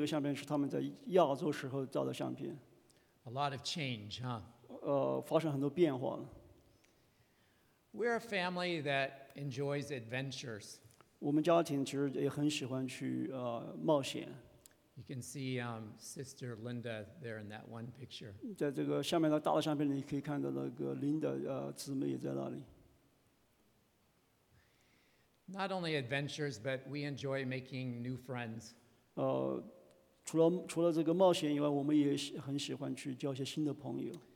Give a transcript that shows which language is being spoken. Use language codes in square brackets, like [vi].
[zh] 还是右边，反正就是我们家这个在那个我的右边这个相片是他们在亚洲时候照的相片。 [en] A lot of change, huh? [zh] 发生很多变化了。 [en] We're a family that enjoys adventures. [zh] 我们家庭其实也很喜欢去冒险。 [en] You can see Sister Linda there in that one picture. [zh] 在这个下面的大的相片里，你可以看到那个Linda姊妹也在那里。 [en] Not only adventures, but we enjoy making new friends. [zh] 除了这个冒险以外，我们也很喜欢去交一些新的朋友。